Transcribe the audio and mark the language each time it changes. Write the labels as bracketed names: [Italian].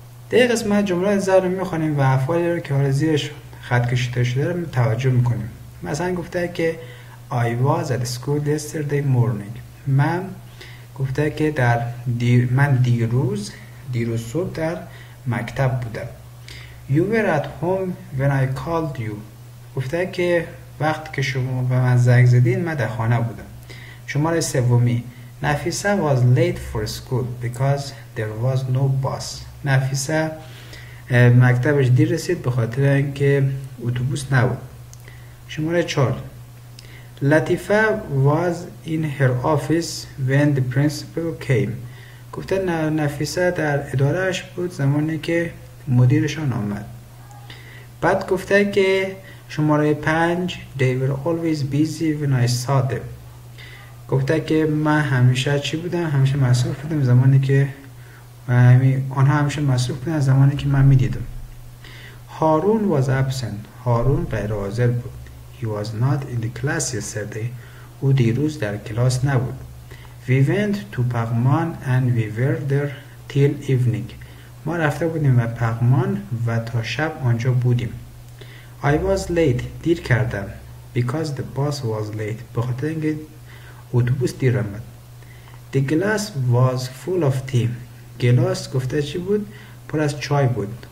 [Persian] در قسمت جمله زر رو میخونیم و افعالی رو که حالا زیرش خط کشیده شده رو توجه میکنیم. مثلا گفته که [English] I was at school yesterday morning. [Persian] من گفته که من دیروز صبح در مکتب بودم. [English] You were at home when I called you. [Persian] گفته که وقت که شما به من زنگ زدین من در خانه بودم. شماره سومی، [English] Nafisa was late for school because there was no bus. [Persian] نفیسه مکتبش دیر رسید به خاطر اینکه اتوبوس نبود. شماره چهار، [English] Latifa was in her office when the principal came. [Persian] گفته نفیسه در ادارهش بود زمانی که مدیرشان آمد. بعد گفته که شماره پنج، [English] they were always busy when I saw them. [Persian] گفته که من همیشه چی بودم؟ همیشه مصروف بودم زمانی که من آنها همیشه مصروف بودن زمانی که من میدیدم. [English] Haroon was absent. [Persian] هارون غیر حاضر بود. [English] He was not in the class yesterday. [Persian] او دیروز در کلاس نبود. [English] We went to Pagman and we were there till evening. [Persian] ما رفته بودیم به پغمان و تا شب آنجا بودیم. [English] I was late. [Persian] دیر کردم. [English] Because the bus was late. [Persian] بخاطر اینکه اتوبوس دیر آمد. [English] The glass was full of tea. [Persian] گلاس گفته چی بود؟ پر از چای بود.